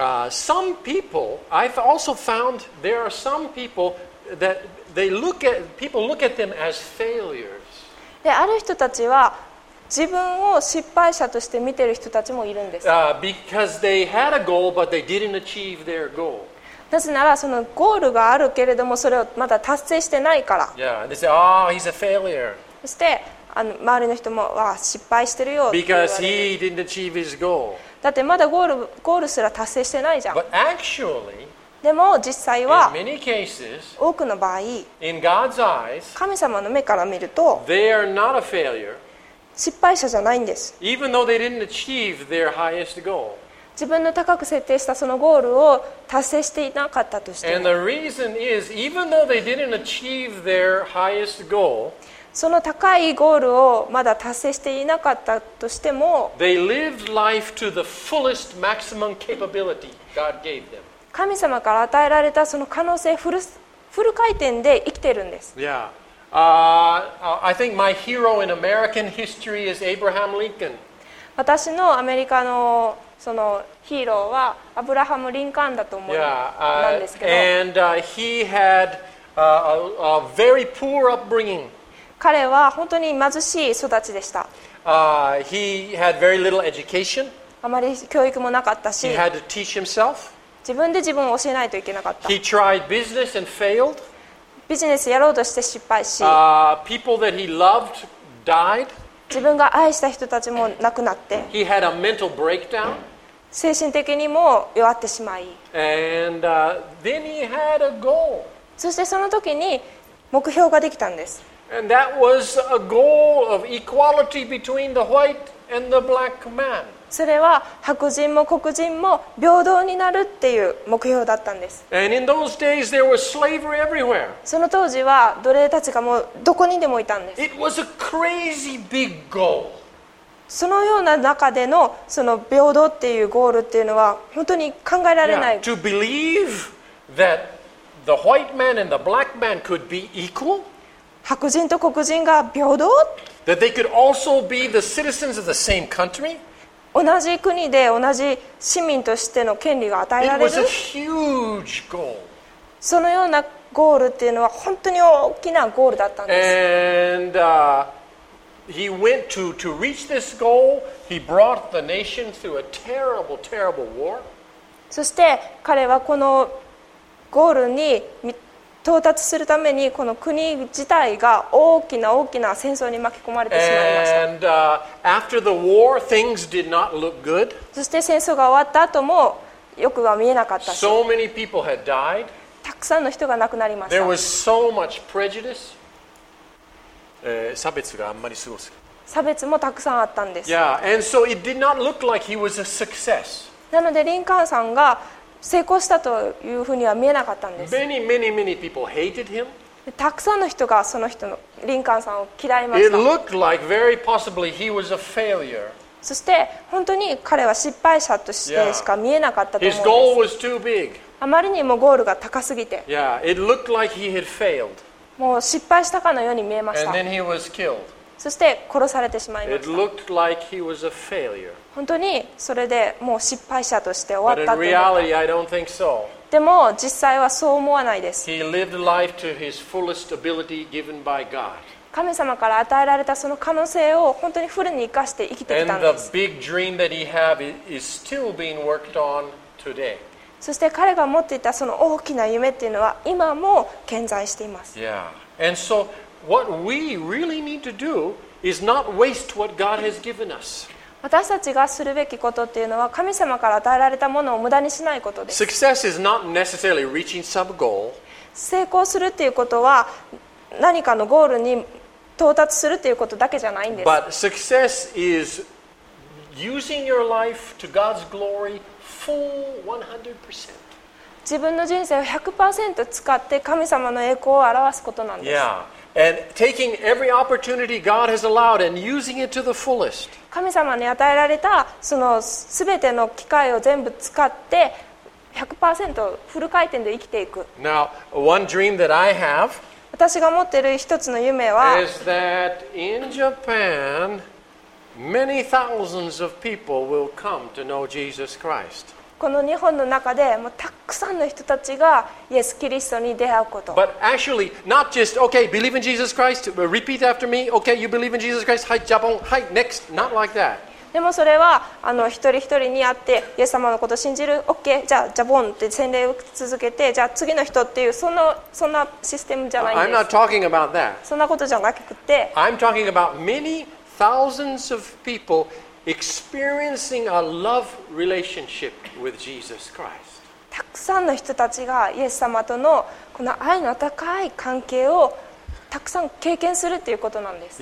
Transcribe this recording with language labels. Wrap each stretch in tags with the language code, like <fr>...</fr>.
<en>Some people, I've also found there are some people that they look at, people look at them as failures.</en> <ja>で、ある人たちは自分を失敗者として見てる人たちもいるんです。</ja> <en>Because they had a goal, but they didn't achieve their goal.</en> <ja>なぜならそのゴールがあるけれどもそれをまだ達成してないから。</ja> <en>Yeah, they say, oh, he's a failure.</en> <ja>そして周りの人も、わあ、失敗してるよって言われる。</ja> <en>Because he didn't achieve his goal.</en> <ja>だってまだゴールすら達成してないじゃん。</ja> <en>But actually,</en> <ja>でも実際は</ja> <en>in many cases,</en> <ja>多くの場合</ja> <en>in God's eyes,</en> <ja>神様の目から見ると</ja> <en>they are not a failure,</en> <ja>失敗者じゃないんです。</ja> <en>even though they didn't achieve their highest goal.</en> <ja>自分の高く設定したそのゴールを達成していなかったとしても。</ja> <en>And the reason is, even though they didn't achieve their highest goal,</en> <ja>その高いゴールをまだ達成していなかったとしても、</ja> <en>They lived life to the fullest maximum capability God gave them.</en> <ja>神様から与えられたその可能性フル回転で生きてるんです。</ja> <en>Yeah. I think my hero in American history is Abraham Lincoln.</en> <ja>私のアメリカのそのヒーローはアブラハム・リンカーンだと思うんですけど。</ja> <en>And he had a very poor upbringing.</en> <ja>彼は本当に貧しい育ちでした。</ja> <en>He had very little education.</en> <ja>あまり教育もなかったし。</ja> <en>He had to teach himself.</en> <ja>自分で自分を教えないといけなかった。</ja> <en>He tried business and failed.</en> <ja>ビジネスやろうとして失敗し。</ja> <en>People that he loved died.</en> <ja>自分が愛した人たちも亡くなって。</ja> <en>He had a mental breakdown.</en> <ja>精神的にも弱ってしまい。</ja> <en>And then he had a goal.</en> <ja>そしてその時に目標ができたんです。</ja> <en>And that was a goal of equality between the white and the black man.</en> <ja>それは白人も黒人も平等になるっていう目標だったんです。</ja> <en>And in those days there was slavery everywhere.</en> <ja>その当時は奴隷たちがもうどこにでもいたんです。</ja> <en>It was a crazy big goal.</en> <ja>そのような中でのその平等っていうゴールっていうのは本当に考えられない。</ja> <en>Yeah, to believe that the white man and the black man could be equal?</en> <ja>白人と黒人が平等？</ja> <en>That they could also be the citizens of the same country?</en> <ja>同じ国で同じ市民としての権利が与えられる？</ja> <en>It was a huge goal.</en> <ja>そのようなゴールっていうのは本当に大きなゴールだったんです。</ja> <en>And he went to reach this goal, he brought the nation through a terrible, terrible war.</en> <ja>そして彼はこのゴールに到達するためにこの国自体が大きな大きな戦争に巻き込まれてしまいました。</ja> <en>And, after the war, things did not look good.</en> <ja>そして戦争が終わった後もよくは見えなかったし、</ja> <en>so many people had died.</en> <ja>たくさんの人が亡くなりました。</ja> <en>There was so much prejudice.</en> <ja>差別があんまりすごすぎ、差別もたくさんあったんです。</ja> <en>Yeah. And so it did not look like he was a success.</en> <ja>なのでリンカーンさんが成功したというふうには見えなかったんです。</ja> <en>Many, many, many people hated him.</en> <ja>たくさんの人がその人のリンカーンさんを嫌いました。</ja> <en>It looked like very possibly he was a failure.</en> <ja>そして本当に彼は失敗者としてしか見えなかったと思うんです。</ja> <en>His goal was too big.</en> <ja>あまりにもゴールが高すぎて。</ja> <en>Yeah, it looked like he had failed.</en> <ja>もう失敗したかのように見えました。</ja> <en>And then he was killed.</en> <ja>そして殺されてしまいました。</ja> <en>It looked like he was a failure.</en> <ja>本当にそれでもう失敗者として終わったと思った。</ja> <en>But in reality, I don't think so.</en> <ja>でも実際はそう思わないです。</ja> <en>He lived life to his fullest ability given by God.</en> <ja>神様から与えられたその可能性を本当にフルに生かして生きてきたんです。</ja> <en>And the big dream that he had is still being worked on today.</en> <ja>そして彼が持っていたその大きな夢っていうのは今も健在しています。</ja> <en>Yeah. And so what we really need to do is not waste what God has given us.</en> <ja>私たちがするべきことっていうのは神様から与えられたものを無駄にしないことです。</ja> <en>Success is not necessarily reaching some goal.</en> <ja>成功するっていうことは何かのゴールに到達するっていうことだけじゃないんです。</ja> <en>But success is using your life to God's glory full 100%.</en> <ja>自分の人生を 100% 使って神様の栄光を表すことなんです。</ja> <en>Yeah. And taking every opportunity God has allowed and using it to the fullest.</en> <ja>神様に与えられたそのすべての機会を全部使って 100% フル回転で生きていく。</ja> <en>Now, one dream that I have</en> <ja>私が持っている一つの夢は</ja> <en>is that in Japan, many thousands of people will come to know Jesus Christ.</en> <ja>この日本の中でもうたくさんの人たちがイエス・キリストに出会うこと。</ja> <en>But actually, not just, okay, believe in Jesus Christ, repeat after me, okay, you believe in Jesus Christ,</en> <ja>はい、ジャポン、はい、</ja> <en>next, not like that.</en> <ja>でもそれは一人一人に会って、イエス様のことを信じる、OK、じゃあ、ジャポンって洗礼を続けて、じゃあ次の人っていう、そんなシステムじゃないんです。</ja> <en>I'm not talking about that.</en> <ja>そんなことじゃなくて。</ja> <en>I'm talking about many thousands of people. Experiencing a love relationship with Jesus Christ.</en> <ja>たくさんの人たちがイエス様とのこの愛の高い関係をたくさん経験するということなんです。</ja>